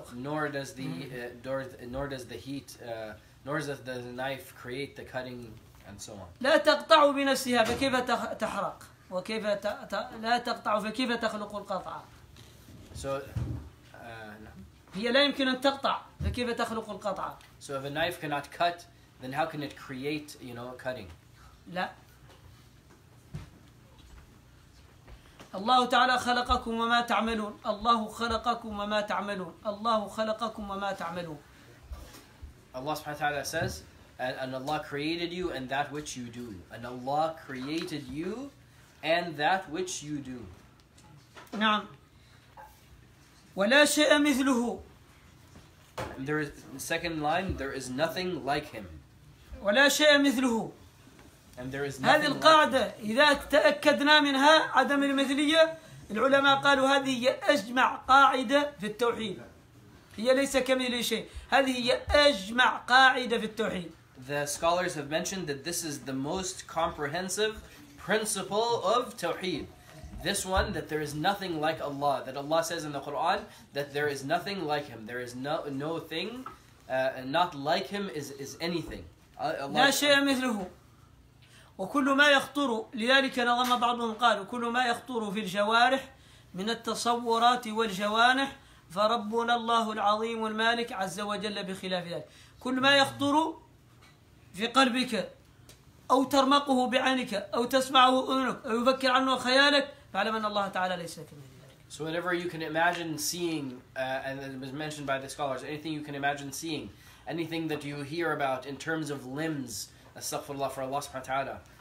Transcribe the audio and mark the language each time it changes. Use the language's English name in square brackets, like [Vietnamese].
[English] nor does the knife create the cutting, and so on. [Arabic] لا تقطعوا بنفسها فكيف تحرق وكيف لا تقطعوا فكيف تخلق القطع؟ [English] So [Arabic] هي لا يمكن أن تقطع فكيف تخلق القطع؟ [English] So if a knife cannot cut, then how can it create, you know, cutting? [Arabic] لا الله تعالى خلقكم وما تعملون الله خلقكم وما تعملون الله خلقكم وما تعملون [English] Allah [Arabic] سبحانه وتعالى [English] says and Allah created you and that which you do and Allah created you and that which you do [Arabic] نعم ولا شيء مثله [English] there is second line there is nothing like him [Arabic] ولا شيء مثله [English] And there is [Arabic] هذه القاعدة إذا تأكدنا منها عدم المثلية العلماء قالوا هذه هي أجمع قاعدة في التوحيد هي ليس كمثله شيء هذه هي أجمع قاعدة في التوحيد [English] The scholars have mentioned that this is the most comprehensive principle of tawheed This one that there is nothing like Allah that Allah says in the Quran that there is nothing like him there is no thing not like him is anything [Arabic] لا شيء مثله وكل ما يخطر لذلك نظم بعضهم قال كل ما يخطر في الجوارح من التصورات والجوانح فربنا الله العظيم والمالك عز وجل بخلاف ذلك كل ما يخطر في قلبك أو ترمقه بعينك أو تسمعه أذنك أو يفكر عنه خيالك فاعلم أن الله تعالى ليس كمثله [English] So whatever you can imagine seeing, and it was mentioned by the scholars, anything you can imagine seeing, anything that you hear about in terms of limbs, Astaghfirullah for Allah subhanahu wa ta'ala.